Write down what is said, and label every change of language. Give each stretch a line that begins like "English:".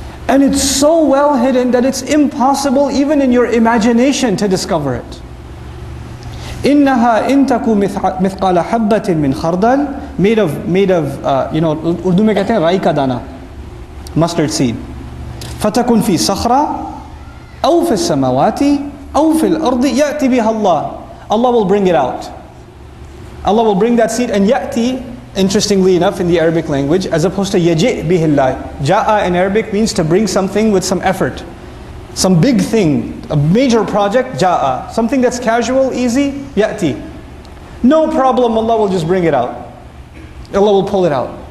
English: And it's so well hidden that it's impossible even in your imagination to discover it.
Arabic: إِنَّهَا إِن تَكُوا مِثْقَالَ حَبَّةٍ مِّنْ خَرْدَلٍ
English: made of,
Urdu: Urdu mein kehte hain raika dana,
English: mustard seed.
Arabic: فَتَكُنْ فِي صَخْرَةٍ أَوْ فِي السَّمَوَاتِ أَوْ فِي الْأَرْضِ يَأْتِ بِهَا اللَّهِ
English: Allah will bring it out. Allah will bring that seed, and يَأْتِ, interestingly enough, in the Arabic language, as opposed to
Arabic: يَجِئْ بِهِ اللَّهِ.
English: جَاءَ in Arabic means to bring something with some effort. Some big thing, a major project, جَاءَ. Something that's casual, easy, يَأْتِ. No problem, Allah will just bring it out. Allah will pull it out.